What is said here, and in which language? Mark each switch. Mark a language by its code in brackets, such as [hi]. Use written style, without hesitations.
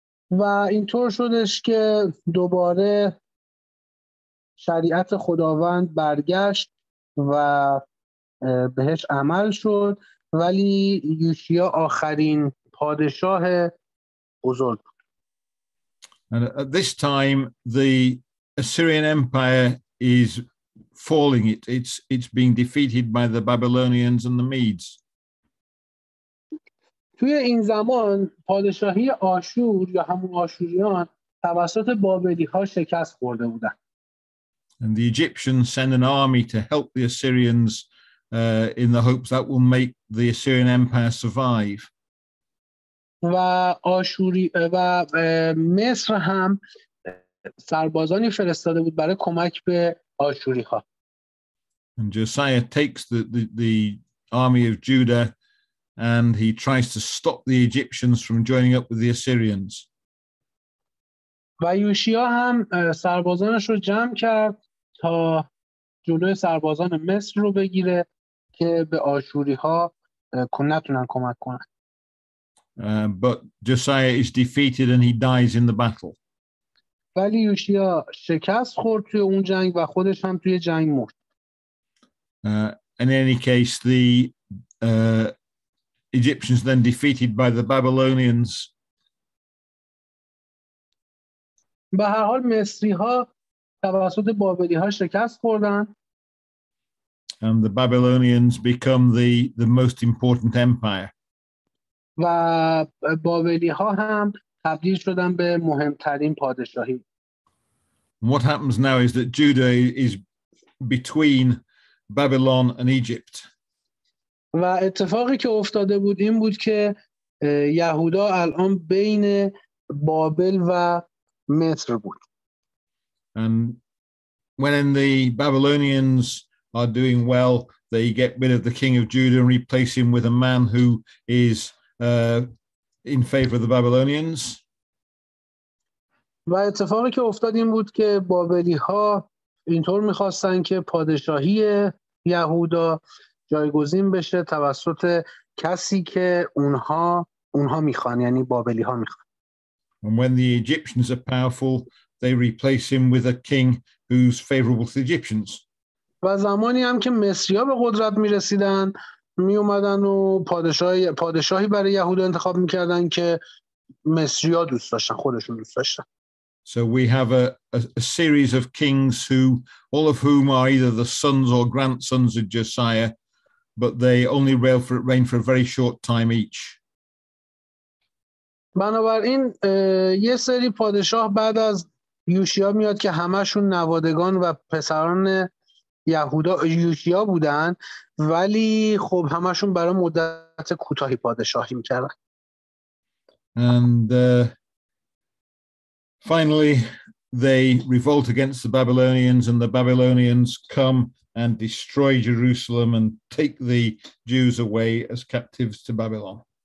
[fa] و اینطور شدش که دوباره شریعت خداوند برگشت و بهش عمل شد ولی یوشیا آخرین پادشاه بزرگ بود. [en] And at this time the Assyrian Empire is falling. It's being defeated by the Babylonians and the Medes. [fa] توی این زمان پادشاهی آشور یا همون آشوریان توسط بابلی‌ها شکست خورده بودن. [en] And the Egyptians send an army to help the Assyrians in the hopes that will make the Assyrian Empire survive. [fa] و آشوری و مصر هم سربازانی فرستاده بود برای کمک به آشوری‌ها. [en] And Josiah takes the army of Judah and he tries to stop the Egyptians from joining up with the Assyrians. [fa] و یوشیا هم سربازانش رو جمع کرد تا جلوی سربازان مصر رو بگیره که به آشوری‌ها نتونن کمک کنن. [en] But Josiah is defeated and he dies in the battle. [fa] ولی یوشیا شکست خورد توی اون جنگ و خودش هم توی جنگ مرد. [en] In any case, the Egyptians then defeated by the Babylonians. [fa] به هر حال مصری‌ها توسط بابلی‌ها شکست خوردن. [en] And the Babylonians become the most important empire. [fa] و بابلی‌ها هم تبدیل شدن به مهمترین پادشاهی. [en] What happens now is that Judah is between Babylon and Egypt. [fa] و اتفاقی که افتاده بود این بود که یهودا الان بین بابل و مصر بود. [en] And when the Babylonians are doing well, they get rid of the king of Judah and replace him with a man who is in favor of the Babylonians. [fa] و اتفاقی که افتاد این بود که بابلی ها اینطور میخواستن که پادشاهی یهودا جایگزین بشه توسط کسی که اونها میخوان، یعنی بابلی ها میخوان. [en] And when the Egyptians are powerful, they replace him with a king who's favorable to the Egyptians. [fa] و زمانی هم که مصری‌ها به قدرت میرسیدن میومدن و پادشاهی برای یهود انتخاب میکردن که مصری‌ها دوست داشتن، خودشون دوست داشتن. [en] So we have a series of kings who all of whom are either the sons or grandsons of Josiah. But they only reign for a very short time each. [fa] بنابراین یه سری پادشاه بعد از یوشیا میاد که همه‌شون نوادگان و پسران یهودا یوشیا بودن ولی خب همه‌شون برای مدت کوتاهی پادشاهی می‌کردن. [en] And finally they revolt against the Babylonians and the Babylonians come and destroy Jerusalem and take the Jews away as captives to Babylon.